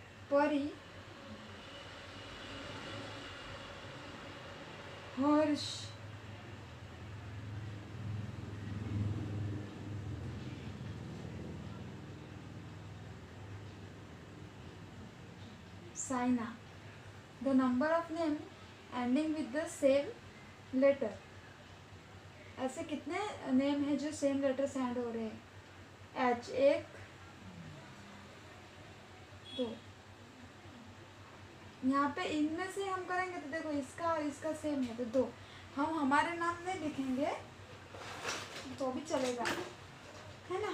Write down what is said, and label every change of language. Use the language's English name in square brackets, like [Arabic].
[Hindi] परी, हर्ष, Saina. [English] The number of name ending with the same letter. [Hindi] ऐसे कितने name है जो सेम लेटर से एंड हो रहे हैं? H, एक, दो. यहाँ पे इनमें से हम करेंगे तो देखो इसका और इसका सेम है तो दो. हम हमारे नाम नहीं लिखेंगे तो भी चलेगा, है ना?